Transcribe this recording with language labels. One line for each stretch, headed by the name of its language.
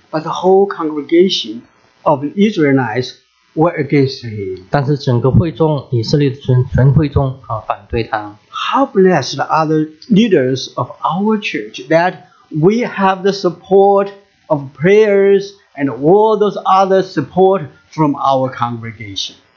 English: But the whole congregation of the Israelites were against him.
Chinese: 但是整个会众,以色列全会众反对他。
English: How blessed are the leaders of our church that we have the support of prayers and all those other support from our congregation.